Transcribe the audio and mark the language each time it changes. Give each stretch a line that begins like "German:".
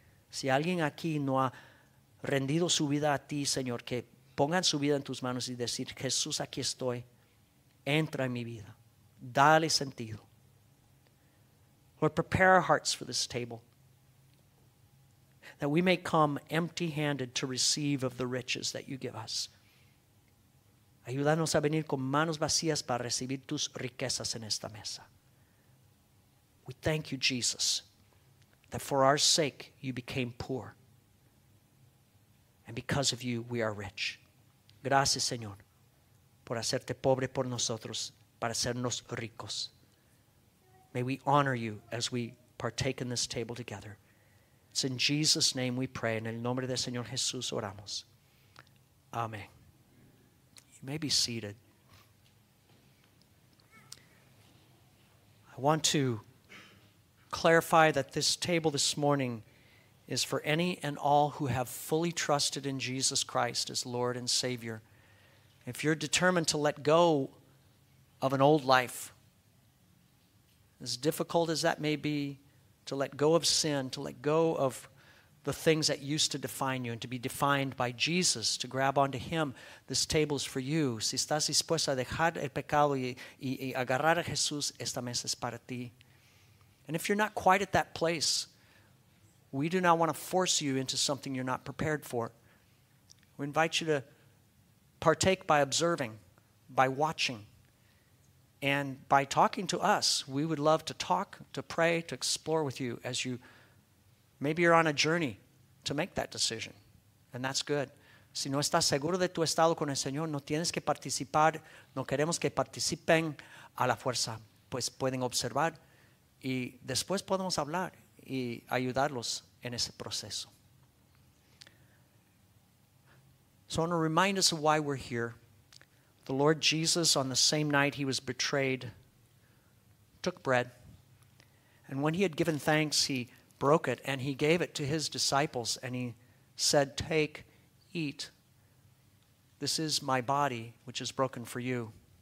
Spanish: Si alguien aquí no ha rendido su vida a ti, Señor, que pongan su vida en tus manos y decir, Jesús, aquí estoy. Entra en mi vida. Dale sentido.
English: Lord, prepare our hearts for this table, that we may come empty-handed to receive of the riches that you give us.
Spanish: Ayúdanos a venir con manos vacías para recibir tus riquezas en esta mesa.
English: We thank you, Jesus, that for our sake you became poor. And because of you, we are rich.
Spanish: Gracias, Señor, por hacerte pobre por nosotros, para hacernos ricos.
English: May we honor you as we partake in this table together. It's in Jesus' name we pray.
Spanish: En el nombre del Señor Jesús oramos. Amén.
English: You may be seated. I want to clarify that this table this morning is for any and all who have fully trusted in Jesus Christ as Lord and Savior. If you're determined to let go of an old life, as difficult as that may be, to let go of sin, to let go of the things that used to define you and to be defined by Jesus, to grab onto him, this table is for you.
Spanish: Si estás dispuesta a dejar el pecado y agarrar a Jesús, esta mesa es para ti.
English: And if you're not quite at that place, we do not want to force you into something you're not prepared for. We invite you to partake by observing, by watching, and by talking to us. We would love to talk, to pray, to explore with you as you maybe you're on a journey to make that decision. And that's good.
Spanish: Si no estás seguro de tu estado con el Señor, no tienes que participar. No queremos que participen a la fuerza. Pues pueden observar y después podemos hablar y ayudarlos en ese proceso.
English: So I want to remind us of why we're here. The Lord Jesus, on the same night he was betrayed, took bread. And when he had given thanks, he broke it and he gave it to his disciples. And he said, take, eat. This is my body, which is broken for you.